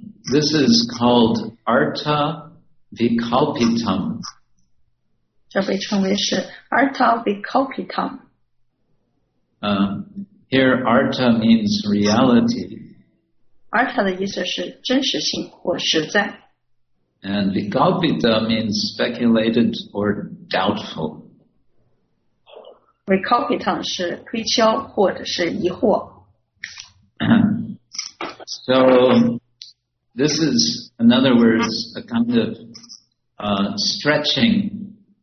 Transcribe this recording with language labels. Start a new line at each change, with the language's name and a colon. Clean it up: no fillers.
English: This is called Artha Vikalpitam.
Chinese: 这被称为是 Artha Vikalpitam.
English: Here Artha means reality.
Chinese: Artha 的意思是真实性或实在。
English: And Vikalpita means speculated or doubtful.
Chinese: Vikalpita 是推敲或者是疑惑。
English: So, this is, in other words, a kind of stretching.